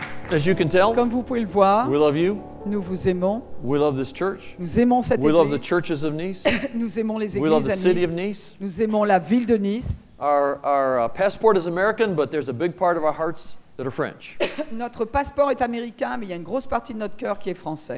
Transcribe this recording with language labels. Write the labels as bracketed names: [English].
[English] As you can tell, [French] comme vous pouvez le voir, [English] we love you. [French] Nous vous aimons. [English] We love this church. [French] Nous aimons cette église. [English] We love the churches of Nice. [French] Nous aimons les églises à Nice. [English] We love the city Nice. Of Nice. [French] Nous aimons la ville de Nice. [English] Our passport is American, but there's a big part of our hearts that are French. [French] Notre passeport est américain, mais il y a une grosse partie de notre cœur qui est français.